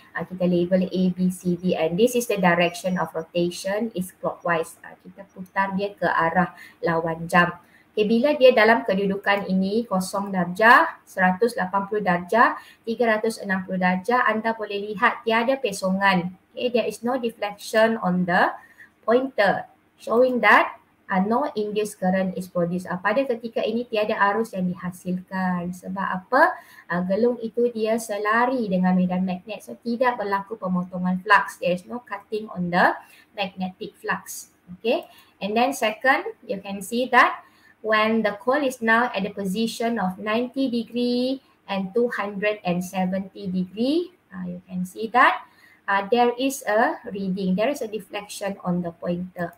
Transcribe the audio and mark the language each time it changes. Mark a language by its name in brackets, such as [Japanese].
[Malay] Kita label [English] A, B, C, D and this is the direction of rotation is clockwise. [Malay] Kita putar dia ke arah lawan jam. Okay, bila dia dalam kedudukan ini 0 darjah, 180 darjah, 360 darjah, anda boleh lihat tiada pesongan. [English] Okay, there is no deflection on the pointer showing that no induced current is produced. [Malay] Pada ketika ini tiada arus yang dihasilkan. Sebab apa? Gelung itu dia selari dengan medan magnet. So, tidak berlaku pemotongan flux. [English] There is no cutting on the magnetic flux. Okay, and then second, you can see that when the coil is now at the position of 90 degree and 270 degree, you can see that there is a reading, there is a deflection on the pointer.